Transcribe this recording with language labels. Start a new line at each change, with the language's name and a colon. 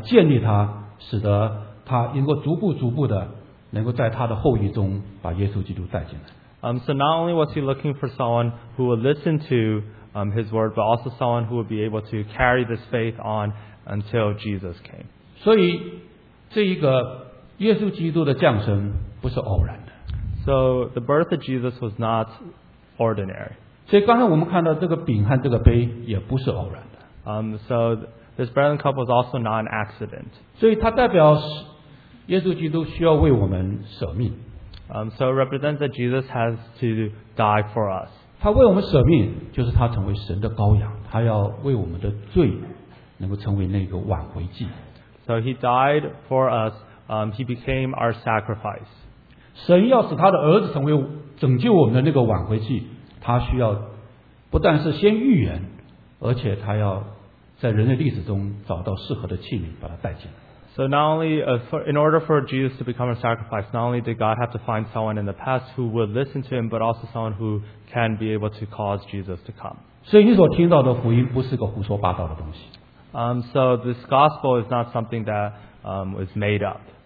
Chinese: 他不但找到听神话的人，而且能够让神愿意神在他身上生命中做工来建立他，使得他能够逐步逐步的。
English: So not only was he looking for someone who would listen to his word, but also someone who would be able to carry this faith on until Jesus came.
Chinese: 所以这一个耶稣基督的降生不是偶然的。
English: So the birth of Jesus was not ordinary.
Chinese: 所以刚才我们看到这个饼和这个杯也不是偶然的。
English: So this bread and cup was also not an accident.
Chinese: 所以它代表 耶稣基督需要为我们舍命。
English: So it represents that Jesus has to die for us.
Chinese: 他为我们舍命，就是他成为神的羔羊， 他要为我们的罪能够成为那个挽回祭。
English: So he died for us, he became our sacrifice.
Chinese: 神要使他的儿子成为拯救我们的那个挽回祭， 他需要不但是先预言， 而且他要在人类历史中找到适合的器皿把他带进来。
English: So not only in order for Jesus to become a sacrifice, not only did God have to find someone in the past who would listen to him, but also someone who can be able to cause Jesus to come. So this gospel is not something that is made up.